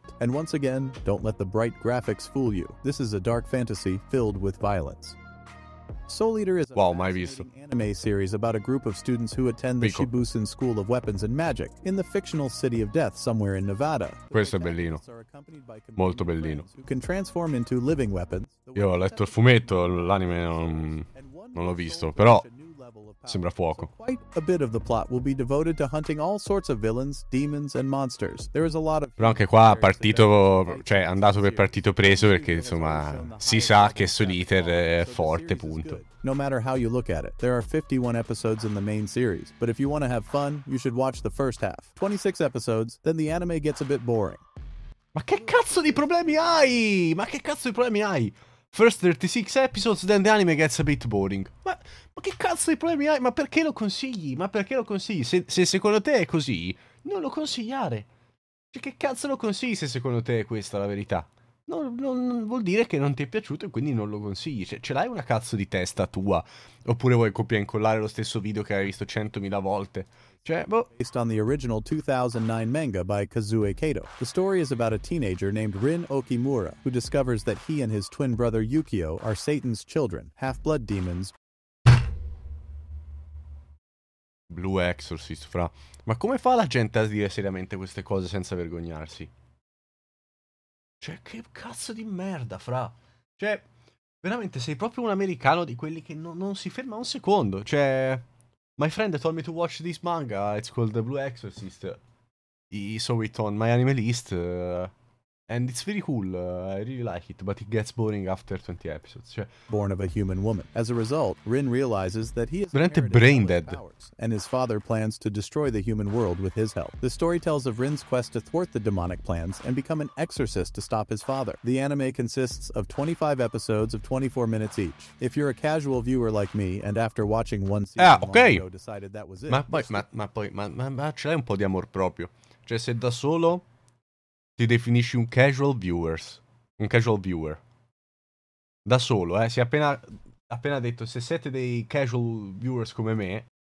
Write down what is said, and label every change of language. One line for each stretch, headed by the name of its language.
English: And once again, don't let the bright graphics fool you. This is a dark fantasy filled with violence. Soul Eater is a
Italian: wow, mai visto.
English: Anime series about a group of students who attend the Shibusen School of Weapons and Magic in the fictional city of death somewhere in Nevada.
Italian: Questo è bellino. Molto bellino.
English: Who can transform into living weapons.
Italian: Io ho letto il fumetto, l'anime non l'ho visto, però sembra fuoco.
English: So quite a bit of the plot will be devoted to hunting all sorts of villains, demons and monsters. There is a lot of
Italian: però anche qua partito, cioè andato per partito preso perché insomma si sa che Soul Eater è forte, punto.
English: No matter how you look at it, there are 51 episodes in the main series, but if you want to have fun, you should watch the first half. 26 episodes, then the anime gets a bit boring.
Italian: Ma che cazzo di problemi hai? Ma che cazzo di problemi hai?
English: First 36 episodes, then the anime gets a bit boring.
Italian: Ma che cazzo di problemi hai? Ma perché lo consigli? Ma perché lo consigli? Se secondo te è così, non lo consigliare. Cioè, che cazzo lo consigli se secondo te è questa la verità? Non vuol dire che non ti è piaciuto e quindi non lo consigli. Cioè, ce l'hai una cazzo di testa tua? Oppure vuoi copia e incollare lo stesso video che hai visto 100.000 volte? Cioè, boh.
English: Based on the original 2009 manga by Kazue Kato. The story is about a teenager named Rin Okimura, who discovers that he and his twin brother Yukio are Satan's children, half-blood demons.
Italian: Blue Exorcist, fra. Ma come fa la gente a dire seriamente queste cose senza vergognarsi? Cioè, che cazzo di merda, fra. Cioè, veramente, sei proprio un americano di quelli che non si ferma un secondo. Cioè,
English: my friend told me to watch this manga, it's called The Blue Exorcist. He saw it on my anime list. And it's very cool, I really like it, but it gets boring after 20 episodes.
Italian: Cioè...
English: Born of a human woman. As a result, Rin realizes that he is
Italian: veramente
English: brain dead. And his father plans to destroy the human world with his help. The story tells of Rin's quest to thwart the demonic plans and become an exorcist to stop his father. The anime consists of 25 episodes of 24 minutes each. If you're a casual viewer like me, and after watching one season okay. Long ago decided that was it.
Italian: Ma ce l'hai un po' di amor proprio. Cioè, se da solo... Ti definisci un casual viewer. Un casual viewer. Da solo, eh. Si è appena detto, se siete dei casual viewers come me...